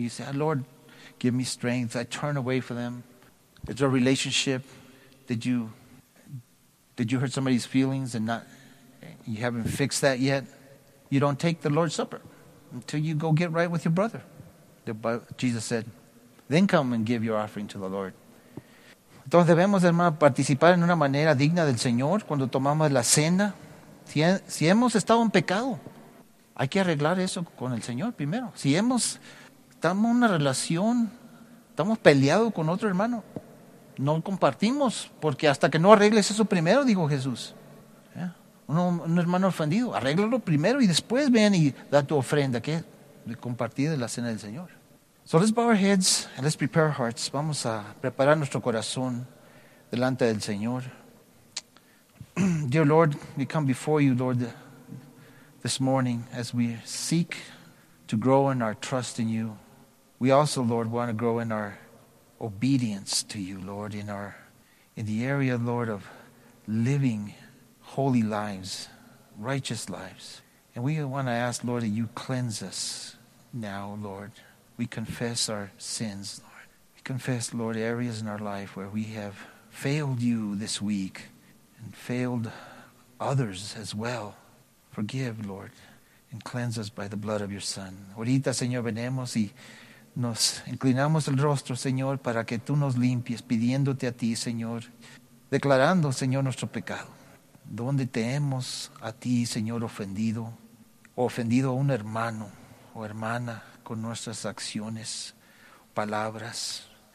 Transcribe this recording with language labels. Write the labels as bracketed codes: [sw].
[en] You say, Lord, give me strength. I turn away from them. Is there a relationship? Did you hurt somebody's feelings and not you haven't fixed that yet? You don't take the Lord's Supper until you go get right with your brother. Jesus said, then come and give your offering to the Lord. [es] Entonces debemos, hermano, participar en una manera digna del Señor cuando tomamos la cena. Si hemos estado en pecado, hay que arreglar eso con el Señor primero. Si estamos en una relación, estamos peleados con otro hermano, no compartimos, porque hasta que no arregles eso primero, dijo Jesús. ¿Eh? Un hermano ofendido, arréglalo primero y después ven y da tu ofrenda, que es compartir la cena del Señor. [en] So let's bow our heads and let's prepare our hearts. [es] Vamos a preparar nuestro corazón delante del Señor. [en] Dear Lord, we come before you, Lord, this morning as we seek to grow in our trust in you. We also, Lord, want to grow in our obedience to you, Lord, in the area, Lord, of living holy lives, righteous lives. And we want to ask, Lord, that you cleanse us now, Lord. We confess our sins, Lord. We confess, Lord, areas in our life where we have failed you this week and failed others as well. Forgive, Lord, and cleanse us by the blood of your Son. [es] Ahorita, Señor, venemos y nos inclinamos el rostro, Señor, para que tú nos limpies, pidiéndote a ti, Señor, declarando, Señor, nuestro pecado. Donde te hemos a ti, Señor, ofendido, o ofendido a un hermano o hermana con nuestras acciones, palabras.